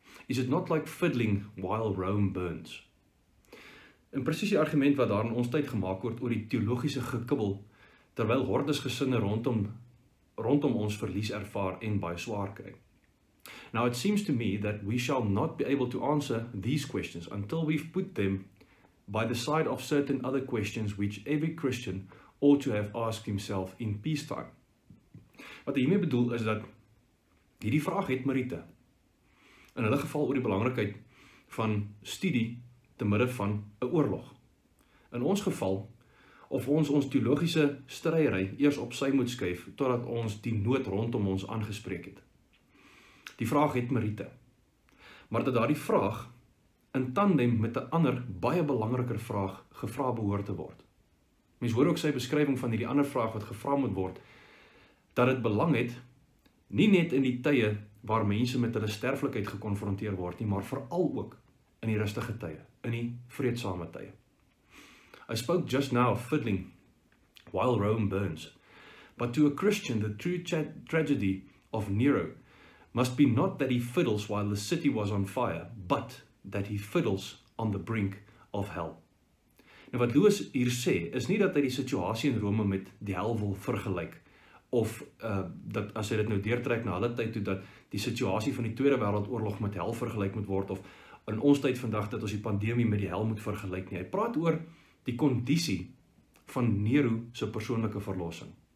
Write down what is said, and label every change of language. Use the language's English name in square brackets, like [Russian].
[English] Is it not like fiddling while Rome burns? [Afrikaans] En presies die argument wat daar in ons tyd gemaak word oor die teologiese gekibbel terwyl hordes gesinne rondom ons verlies ervaar en baie swaar kry. [English] Now it seems to me that we shall not be able to answer these questions until we've put them by the side of certain other questions which every Christian ought to have asked himself in peacetime. [Afrikaans] Wat hiermee bedoel is dat hierdie vraag het meriete. In hulle geval oor die belangrikheid van studie te midde van 'n oorlog. In ons geval of ons teologiese stryery eers op sy moet skuif totdat ons die nood rondom ons aangespreek het. Die vraag het meriete. Maar dat daardie vraag in tandem met 'n ander baie belangriker vraag gevra behoort te word. Mens hoor ook sy beskrywing van hierdie ander vraag wat gevra moet word, dat dit belang het nie net in die tye waar mense met hulle sterflikheid gekonfronteer word nie, maar veral ook in die rustige tye, in die vreedsame tye. [English] I spoke just now of fiddling while Rome burns, but to a Christian the true tragedy of Nero must be not that he fiddles while the city was on fire, but that he fiddles on the brink of hell. [Afrikaans] Nou wat Lewis hier sê, is nie dat hy die situasie in Rome met die hel wil vergelyk, of dat as hy dit nou deurtrek na hulle tyd toe, dat die situasie van die Tweede Wêreldoorlog met hel vergelyk moet word, of in ons tyd vandag dat ons die pandemie met die hel moet vergelyk nie. Hy praat oor die kondisie van Nero se persoonlike verlossing.